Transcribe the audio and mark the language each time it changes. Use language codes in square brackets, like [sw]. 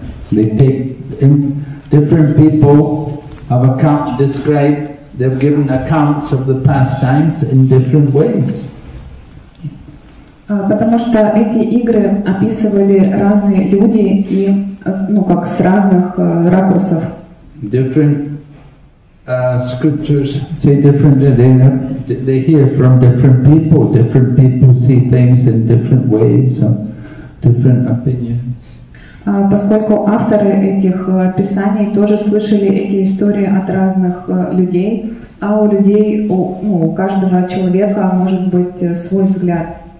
[en] They take different people have account described, they've given accounts of the pastimes in different ways. [ru] Потому что эти игры описывали разные люди и ну как с разных ракурсов. [en] Different scriptures say different. They hear from different people. Different people see things in different ways, different opinions. [ru] Поскольку авторы этих писаний тоже слышали эти истории от разных людей, а у людей у каждого человека может быть свой взгляд.